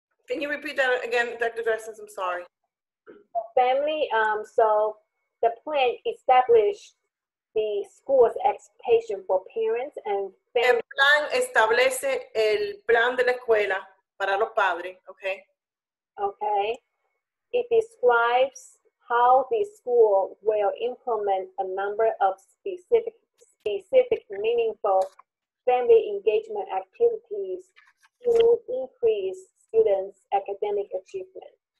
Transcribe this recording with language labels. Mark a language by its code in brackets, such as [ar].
[en] Can you repeat that again, Dr. Dressens? I'm sorry. Family, so the plan established the school's expectation for parents and family. [es] El plan establece el plan de la escuela para los padres, okay? [en] Okay. It describes how the school will implement a number of specific meaningful family engagement activities to increase students' academic achievement.